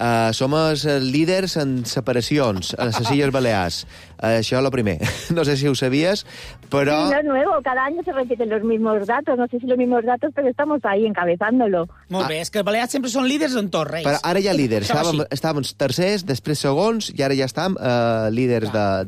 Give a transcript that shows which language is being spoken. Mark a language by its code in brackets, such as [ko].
[ca] Som els líders en separacions a les Illes Balears. Això és el primer. No sé si ho sabies, però... Sí, no és nuevo. [es] Cada any se repiten los mismos datos. No sé si los mismos datos, pero estamos ahí encabezándolo. [ca] Molt bé, és que els Balears sempre són líders en tot, Reis. Però ara hi ha líders. Estàvem tercers, després segons, i ara ja estem líders d'Espanya.